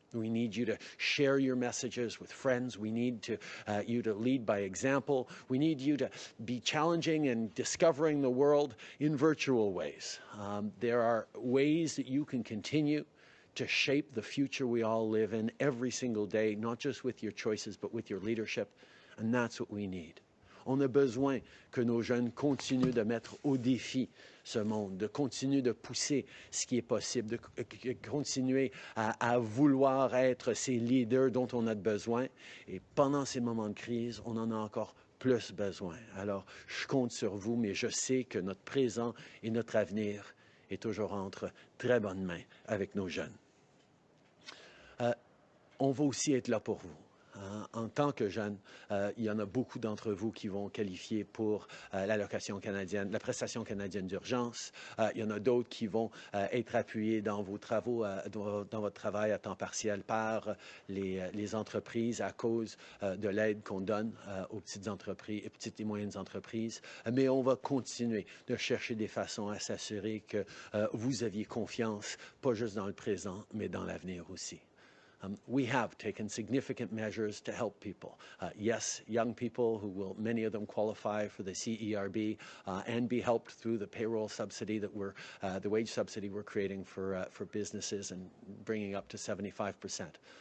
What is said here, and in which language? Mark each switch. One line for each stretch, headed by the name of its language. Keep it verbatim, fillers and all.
English: We need you to share your messages with friends. We need to, uh, you to lead by example. We need you to be challenging and discovering the world in virtual ways. Um, there are ways that you can continue to shape the future we all live in every single day, not just with your choices, but with your leadership. And that's what we need.
French: On a besoin que nos jeunes continuent de mettre au défi ce monde, de continuer de pousser ce qui est possible, de continuer à, à vouloir être ces leaders dont on a besoin. Et pendant ces moments de crise, on en a encore plus besoin. Alors, je compte sur vous, mais je sais que notre présent et notre avenir est toujours entre très bonnes mains avec nos jeunes. Euh, on va aussi être là pour vous. Uh, en tant que jeune, uh, il y en a beaucoup d'entre vous qui vont qualifier pour uh, l'allocation canadienne, la prestation canadienne d'urgence. Uh, il y en a d'autres qui vont uh, être appuyés dans vos travaux, uh, dans, dans votre travail à temps partiel par uh, les, uh, les entreprises à cause uh, de l'aide qu'on donne uh, aux petites entreprises, petites et moyennes entreprises. Uh, mais on va continuer de chercher des façons à s'assurer que uh, vous aviez confiance, pas juste dans le présent, mais dans l'avenir aussi.
English: Um, we have taken significant measures to help people. Uh, yes, young people who will, many of them qualify for the C E R B uh, and be helped through the payroll subsidy that we're, uh, the wage subsidy we're creating for, uh, for businesses and bringing up to seventy-five percent.